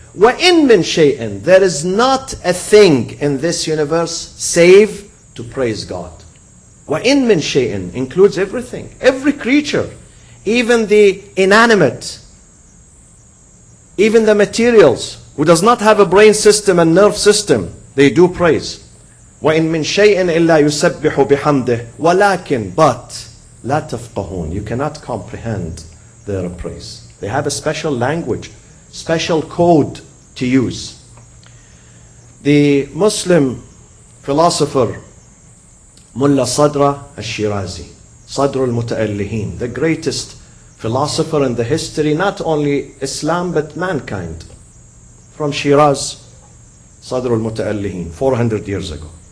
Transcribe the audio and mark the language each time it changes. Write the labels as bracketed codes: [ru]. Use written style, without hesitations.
[en] وَإِن مِّن شَيْءٍ, there is not a thing in this universe save to praise God. وَإِن مِّن شَيْءٍ includes everything, every creature, even the inanimate, even the materials, who does not have a brain system and nerve system, they do praise. [ar] وَإِن مِّن شَيْءٍ إِلَّا يُسَبِّحُ بِحَمْدِهِ وَلَكِن, but, لَا تَفْقَهُونَ, you cannot comprehend their praise. [en] They have a special language, special code to use. The Muslim philosopher Mullah Sadra al-Shirazi, Sadr al-Mutaallihin, the greatest philosopher in the history, not only Islam but mankind, from Shiraz, Sadr al-Mutaallihin, 400 years ago.